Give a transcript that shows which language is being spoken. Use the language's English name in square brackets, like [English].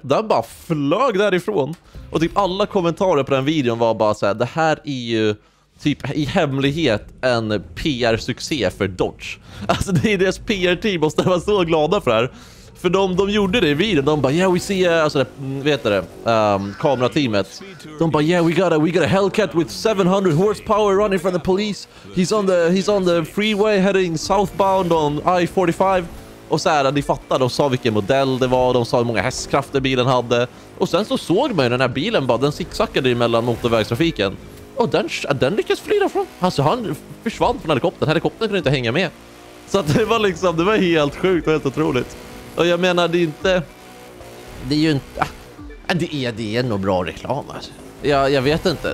[Swedish] Den bara flög därifrån. Och typ alla kommentarer på den videon var bara så här: det här är ju typ i hemlighet en PR-succé för Dodge. Alltså det är deras PR-team och de var så glada för det här. För de gjorde det i videon. De bara, [English] yeah, we see, [Swedish] alltså det, vet det, kamerateamet. De bara, [English] yeah, we got a Hellcat with 700 horsepower running from the police. He's on the freeway heading southbound on I-45. [Swedish] Och så här, ni fattar, de sa vilken modell det var. De sa hur många hästkrafter bilen hade. Och sen så såg man ju den här bilen bara, den zigzackade mellan motorvägstrafiken. Och den lyckades fly därifrån. Alltså han försvann från helikoptern. Helikoptern kunde inte hänga med. Så att det var liksom, det var helt sjukt och helt otroligt. Och jag menar, det är inte... Det är ju inte... Det är nog bra reklam, alltså. Jag vet inte.